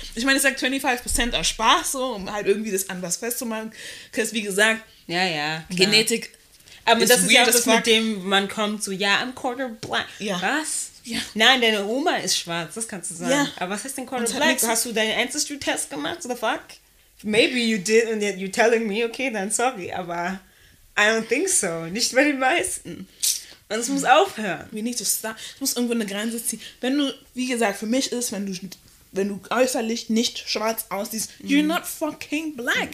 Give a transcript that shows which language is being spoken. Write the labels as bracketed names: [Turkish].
[German] Ich meine, ich sage 25% aus Spaß, so, um halt irgendwie das an was festzumachen. Because, wie gesagt, ja, ja, Genetik. Aber ist das ist ja auch das, mit dem man kommt, so, ja, [English] I'm quarter black. [German] Ja. Was? Ja. Nein, deine Oma ist schwarz, das kannst du sagen. Ja. Aber was heißt denn quarter black? Hast du deinen Ancestry-Test gemacht, [English] so the fuck? Maybe you did and yet you're telling me, okay, [German] dann sorry, aber [English] I don't think so. [German] Nicht bei den meisten. Und es muss aufhören. [English] We need to stop. [German] Es muss irgendwo eine Grenze ziehen. Wenn du, wie gesagt, für mich ist, wenn du äußerlich nicht schwarz aussiehst, [English] you're not fucking black.